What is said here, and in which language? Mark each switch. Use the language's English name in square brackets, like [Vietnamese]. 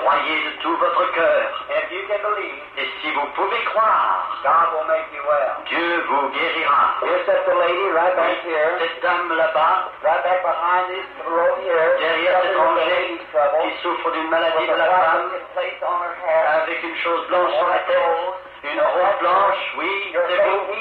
[French] Croyez de tout votre cœur. [English] If you can believe, [French] et si vous pouvez croire, [English] God will make you well. [French] Dieu vous guérira. [English] Here's that lady right back here. [French] Cette dame là-bas, [English] right back behind this row here, [French] derrière cet ange qui souffre d'une maladie de la femme, avec une chose blanche sur la tête, une robe blanche, oui, c'est vous.